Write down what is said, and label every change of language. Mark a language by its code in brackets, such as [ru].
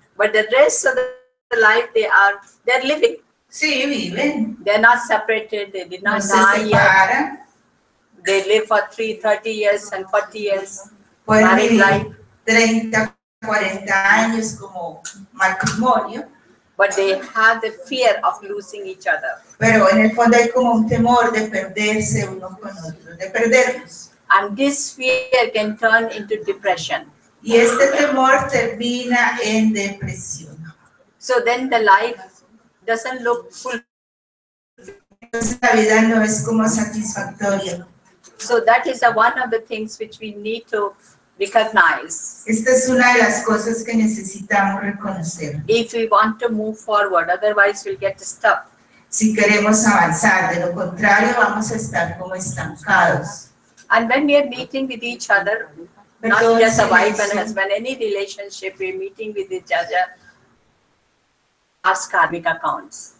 [en] But the rest of the life, they're living. [es] Sí, viven. [en] They're not separated. They did not die yet. They live for 30 years and 40 years. Pueden married vivir life. [es] 30, 40 años como matrimonio. [en] But they have the fear of losing each other. [es] Pero en el fondo hay como un temor de perderse uno con otro, de perderlos. [en] And this fear can turn into depression. [es] Y este temor termina en depresión. [en] So then the life doesn't look full. [es] Entonces la vida no es como satisfactoria. [en] So that is one of the things which we need to recognize. [es] Esta es una de las cosas que necesitamos reconocer. [en] If we want to move forward, otherwise we'll get stuck. [es] Si queremos avanzar, de lo contrario vamos a estar como estancados. [en] And when we are meeting with each other, Perdón, not just a wife and husband, any relationship, we're meeting with each other, ask karmic accounts.